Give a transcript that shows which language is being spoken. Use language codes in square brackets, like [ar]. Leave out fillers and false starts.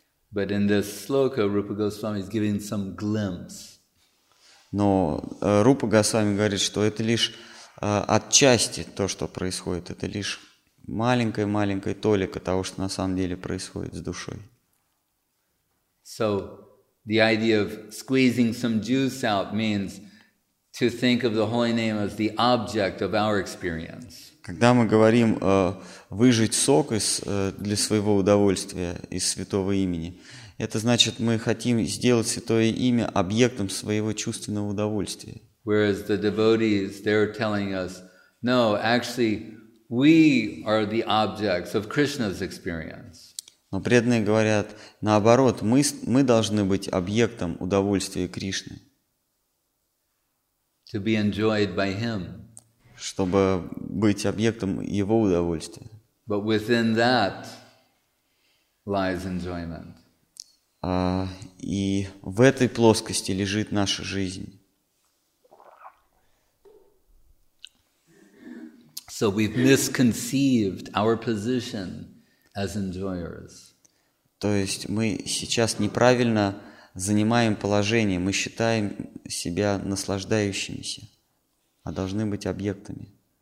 [en] But in this sloka, Rupa Goswami is giving some glimpse. [ru] Но Рупа Госвами говорит, что это лишь отчасти то, что происходит. Это лишь маленькая-маленькая толика того, что на самом деле происходит с душой. [en] So, the idea of squeezing some juice out means to think of the holy name as the object of our experience. [ru] Когда мы говорим выжать сок из для своего удовольствия из святого имени, это значит, мы хотим сделать святое имя объектом своего чувственного удовольствия. [en] Whereas the devotees, they're telling us, no, actually, we are the objects of Krishna's experience. [ru] Но преданные говорят, наоборот, мы должны быть объектом удовольствия Кришны. [en] To be enjoyed by him. [ru] Чтобы быть объектом его удовольствия. [en] But within that lies enjoyment. [ru] И в этой плоскости лежит наша жизнь. [en] So we've misconceived our position as enjoyers. [ru] То есть мы сейчас неправильно занимаем положение, мы считаем себя наслаждающимися, а должны быть объектами.